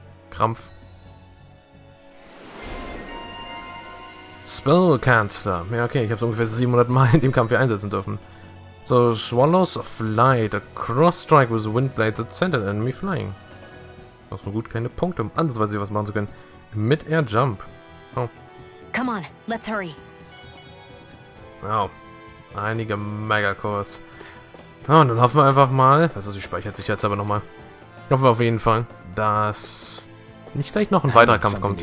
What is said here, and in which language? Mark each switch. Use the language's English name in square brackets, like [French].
[German] Krampf. Spellcaster. Ja, okay, ich habe so ungefähr 700 Mal in dem Kampf hier einsetzen dürfen. [English] So, Swallows of Light, a cross-strike with Windblade that sent an enemy flying. [German] Das sind gut keine Punkte, um ansatzweise was machen zu können. [English] Mid-Air Jump. Oh. Come on, let's hurry. [German] Wow. Einige Megacores. Ja, und dann hoffen wir einfach mal, also sie speichert sich jetzt aber nochmal. Hoffen wir auf jeden Fall, dass nicht gleich noch ein weiterer Kampf kommt.